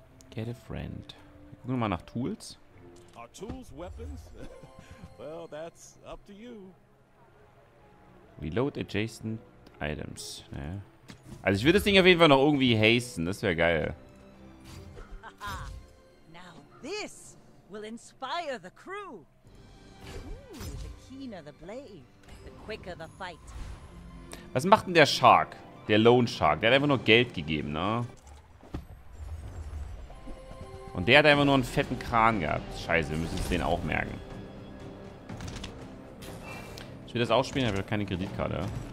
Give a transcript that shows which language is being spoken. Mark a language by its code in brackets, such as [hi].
[en] Get a friend. [de] Gucken wir mal nach Tools. [en] Are tools weapons? Well, that's up to you. Reload adjacent items. Ja. [de] Also ich würde das Ding auf jeden Fall noch irgendwie hasten. Das wäre geil. [en] Now this will inspire the crew. Ooh, the keener the blade, the quicker the fight. [de] Was macht denn der Shark? Der Lone Shark. Der hat einfach nur Geld gegeben, ne? Und der hat einfach nur einen fetten Kran gehabt. Scheiße, wir müssen es den auch merken. Ich will das auch spielen, aber ich habe keine Kreditkarte.